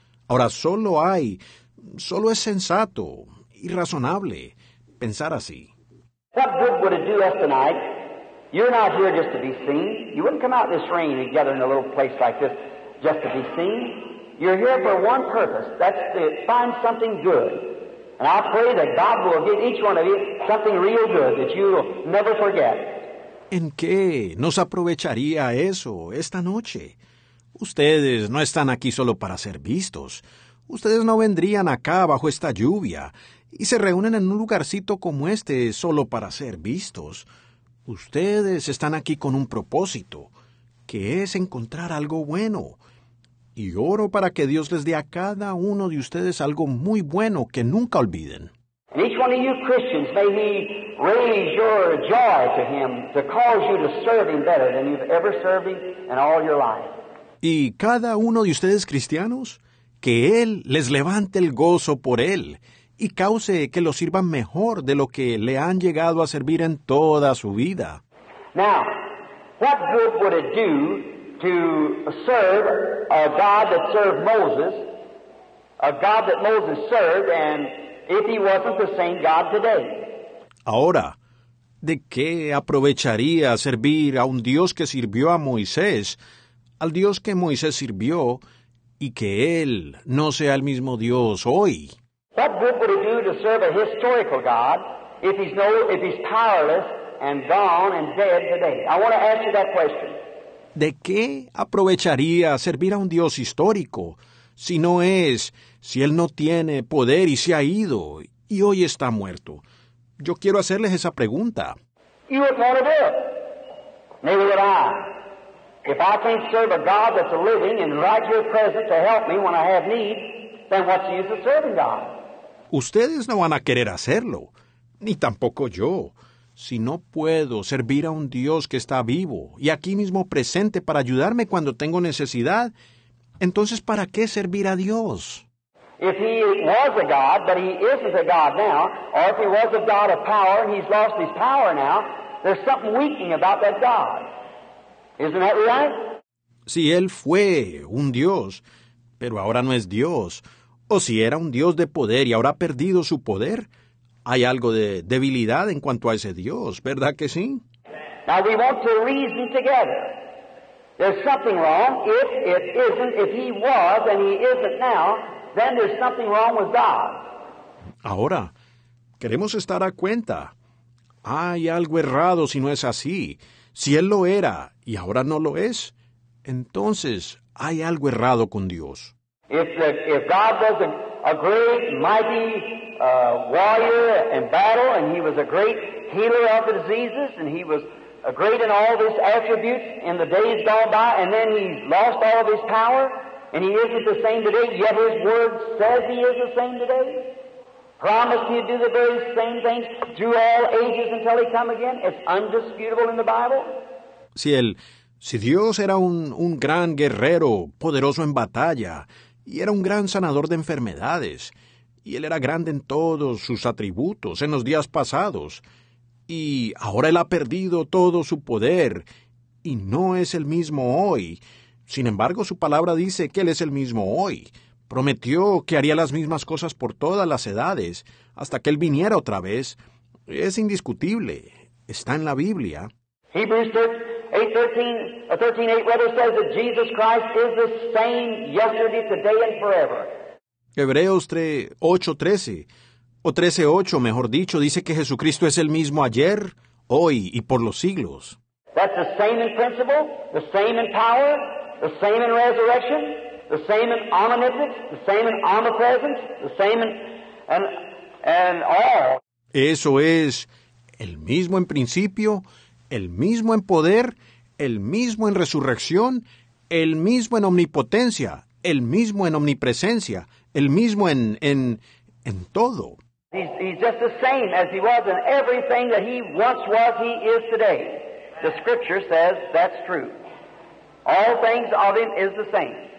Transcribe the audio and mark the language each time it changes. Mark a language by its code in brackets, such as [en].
[es] Ahora, solo es sensato y razonable pensar así. [en] What good would it do us tonight? You're not here just to be seen. You wouldn't come out this rain and gather in a little place like this just to be seen. You're here for one purpose. That's to find something good. And I pray that God will give each one of you something real good that you will never forget. [es] ¿En qué nos aprovecharía eso esta noche? Ustedes no están aquí solo para ser vistos. Ustedes no vendrían acá bajo esta lluvia y se reúnen en un lugarcito como este solo para ser vistos. Ustedes están aquí con un propósito, que es encontrar algo bueno. Y oro para que Dios les dé a cada uno de ustedes algo muy bueno que nunca olviden. [en] And each one of you Christians, may He raise your joy to Him to cause you to serve Him better than you've ever served Him in all your life. [es] Y cada uno de ustedes cristianos, que Él les levante el gozo por Él y cause que lo sirvan mejor de lo que le han llegado a servir en toda su vida. [en] Now, what good would it do to serve a God that served Moses, a God that Moses served, and if He wasn't the same God today? [es] Ahora, ¿de qué aprovecharía servir a un Dios que sirvió a Moisés, al Dios que Moisés sirvió, y que Él no sea el mismo Dios hoy? [en] What good would it do to serve a historical God if he's powerless and gone and dead today? I want to ask you that question. [es] ¿De qué aprovecharía servir a un Dios histórico si no es, si Él no tiene poder y se ha ido y hoy está muerto? Yo quiero hacerles esa pregunta. [en] You would want to do it. Neither would I. If I can't serve a God that's a living and right here present to help me when I have need, then what's the use of serving God? [es] Ustedes no van a querer hacerlo, ni tampoco yo. Si no puedo servir a un Dios que está vivo y aquí mismo presente para ayudarme cuando tengo necesidad, entonces ¿para qué servir a Dios? [en] If He was a God, but He isn't a God now, or if He was a God of power and He's lost His power now, there's something weakening about that God. Isn't that right? [es] Si Él fue un Dios, pero ahora no es Dios, o si era un Dios de poder y ahora ha perdido su poder, hay algo de debilidad en cuanto a ese Dios, ¿verdad que sí? [en] Now we want to reason together. There's something wrong if it isn't, if He was and He isn't now, then there's something wrong with God. [es] Ahora, queremos estar a cuenta. Hay algo errado si no es así. Si Él lo era y ahora no lo es, entonces hay algo errado con Dios. [en] If God was a great, mighty warrior in battle, and He was a great healer of the diseases, and He was a great in all these attributes in the days gone by, and then He lost all of His power, and He isn't the same today, yet His Word says He is the same today, promised He'd do the very same things through all ages until He come again. It's undisputable in the Bible. [es] Si Dios era un gran guerrero, poderoso en batalla, y era un gran sanador de enfermedades, y Él era grande en todos sus atributos en los días pasados, y ahora Él ha perdido todo su poder, y no es el mismo hoy. Sin embargo, su palabra dice que Él es el mismo hoy. Prometió que haría las mismas cosas por todas las edades, hasta que Él viniera otra vez. Es indiscutible. Está en la Biblia. [en] Hebrews 13:8 says that Jesus Christ is the same yesterday, today, and forever. [es] Hebreos 13:8, mejor dicho, dice que Jesucristo es el mismo ayer, hoy y por los siglos. [en] That's the same in principle, the same in power, the same in resurrection, the same in omnipotence, the same in omnipresence, the same in and all. [es] Eso es el mismo en principio, el mismo en poder, el mismo en resurrección, el mismo en omnipotencia, el mismo en omnipresencia, el mismo en todo. [en] He's just the same as He was in everything that He once was, He is today. The Scripture says that's true. All things of Him is the same.